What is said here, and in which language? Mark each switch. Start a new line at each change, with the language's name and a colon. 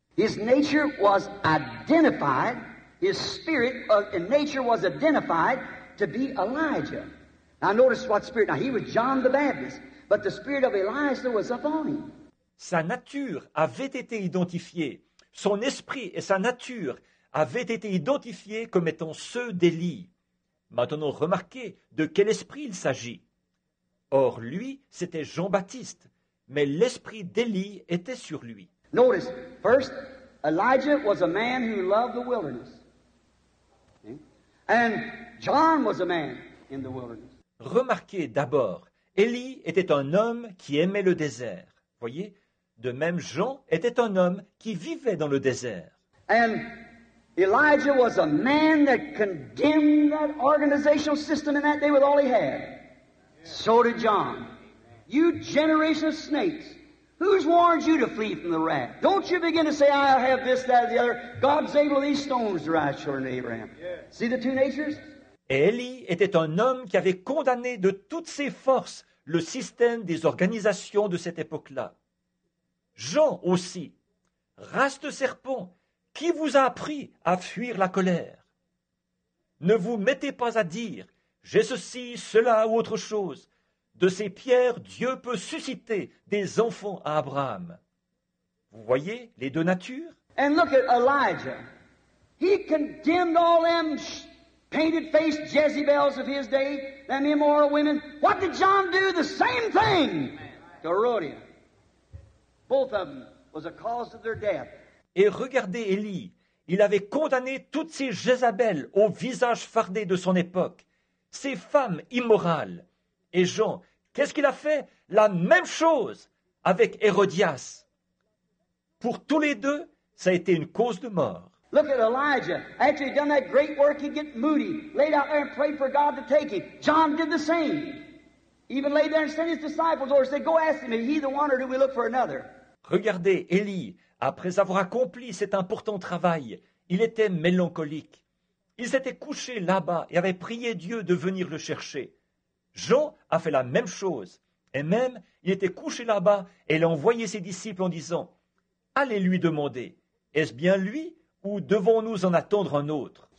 English: His nature was identified. His spirit and nature was identified to be Elijah. Now notice what spirit. Now he was John the Baptist, but the spirit of Elijah was upon him.
French: Sa nature avait été identifiée. Son esprit et sa nature avaient été identifiés comme étant ceux d'Élie. Maintenant remarquez de quel esprit il s'agit. Or lui, c'était Jean-Baptiste, mais l'esprit d'Élie était sur lui.
English: Notice, first, Elijah was a man who loved the wilderness. And John was a man in the wilderness.
French: Remarquez d'abord, Élie était un homme qui aimait le désert. Voyez, de même Jean était un homme qui vivait dans le désert.
English: And Elijah was a man that condemned that organizational system in that day with all he had. So did John. You generation of snakes, who's warned you to flee from the wrath? Don't you begin to say, I have this, that, or the other. God's able these stones to rise, children of Abraham. See the two natures?
French: Élie était un homme qui avait condamné de toutes ses forces le système des organisations de cette époque-là. Jean aussi. Race de serpent, qui vous a appris à fuir la colère? Ne vous mettez pas à dire, j'ai ceci, cela ou autre chose. De ces pierres, Dieu peut susciter des enfants à Abraham. Vous voyez les deux natures?
English: And look at Elijah. He condemned all them painted-faced Jezebels of his day, them immoral women. What did John do? The same thing to Herodia. Both of them was a cause of their death.
French: Et regardez Élie. Il avait condamné toutes ces Jézabels au visage fardé de son époque, ces femmes immorales. Et Jean, qu'est-ce qu'il a fait? La même chose avec Hérodias. Pour tous les deux, ça a été une cause de mort.
English: Look at Elijah. After he'd done that great work, he'd get moody, laid out there and prayed for God to take him. John did the same. Even laid there and sent his disciples over and said, go ask him, is he the one or do we look for another?
French: Regardez, Élie, après avoir accompli cet important travail, il était mélancolique. Il s'était couché là-bas et avait prié Dieu de venir le chercher. Jean a fait la même chose, et même, il était couché là-bas, et il a envoyé ses disciples en disant, « Allez lui demander, est-ce bien lui, ou devons-nous en attendre un autre ?»